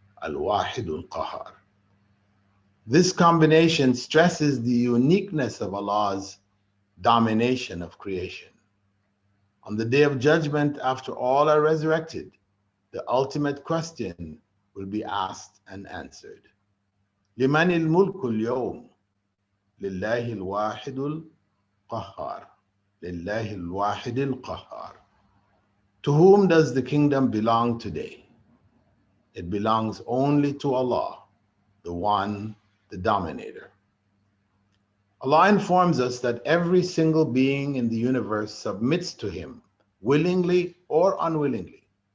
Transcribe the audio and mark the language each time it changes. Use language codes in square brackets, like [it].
[en] Al-Wahid Al-Qahhar. This combination stresses the uniqueness of Allah's domination of creation. On the Day of Judgment, after all are resurrected, the ultimate question will be asked and answered. [ar] لمن الملك اليوم؟ لله الواحد القهار. لله الواحد القهار. [en] To whom does the kingdom belong today? It belongs only to Allah, the One, the Dominator. Allah informs us that every single being in the universe submits to Him, willingly or unwillingly.